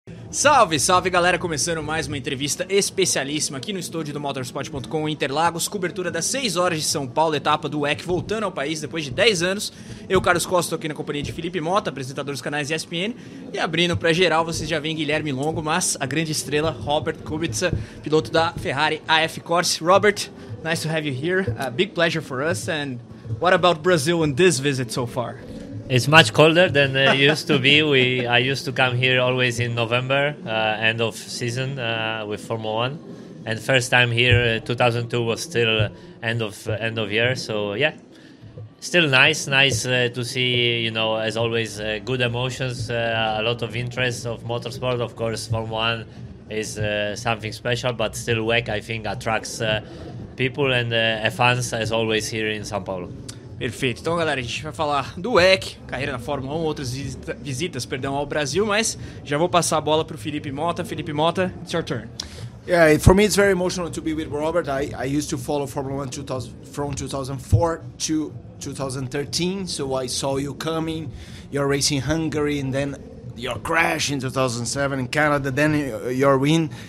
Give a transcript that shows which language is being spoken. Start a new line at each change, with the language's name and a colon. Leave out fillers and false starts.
Portuguese: Salve, salve galera, começando mais uma entrevista especialíssima aqui no estúdio do motorsport.com Interlagos, cobertura das 6 horas de São Paulo, etapa do WEC voltando ao país depois de 10 anos. Eu, Carlos Costa, estou aqui na companhia de Felipe Mota, apresentador dos canais ESPN, e abrindo para geral, vocês já veem Guilherme Longo, mas a grande estrela, Robert Kubica, piloto da Ferrari AF Corse.
English: Robert, nice to have you here, a big pleasure for us, and what about Brazil in this visit so far? It's much colder than it used to be. I used to come here always in November, end of season with Formula One. And first time here, 2002 was still end of year. So yeah, still nice to see, you know, as always, good emotions, a lot of interest of motorsport. Of course, Formula One is something special, but still WEC, I think, attracts people and fans as always here in São Paulo.
Portuguese: Perfeito. Então, galera, a gente vai falar do WEC, carreira na Fórmula 1, outras visitas, ao Brasil, mas já vou passar a bola para o Felipe Mota.
English: Felipe Mota, it's your turn. Yeah, for me, it's very emotional to be with Robert. I used to follow Formula 1 from 2004 to 2013, so I saw you coming, your race in Hungary, and then your crash in 2007 in Canada, then your win.